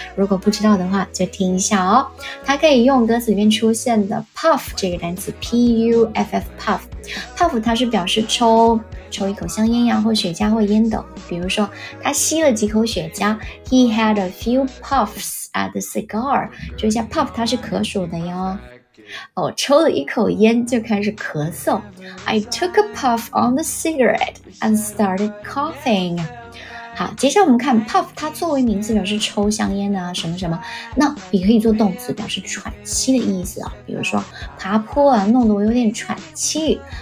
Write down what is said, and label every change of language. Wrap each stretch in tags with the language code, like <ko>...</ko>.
<zh>如果不知道的话，就听一下哦。它可以用歌词里面出现的 puff 这个单词 ，P-U-F-F puff。 Puff 它是表示抽一口香烟呀，或雪茄或烟斗。比如说，他吸了几口雪茄</zh> <en>，He had a few puffs at the cigar。</en> <zh>注意一下 ，puff 它是可数的哟。哦，抽了一口烟就开始咳嗽。</zh> <en>I took a puff on the cigarette and started coughing。</en> <zh>好，接下来我们看 puff， 它作为名词表示抽香烟啊什么什么，那也可以做动词表示喘气的意思啊。比如说爬坡啊，弄得我有点喘气。</zh>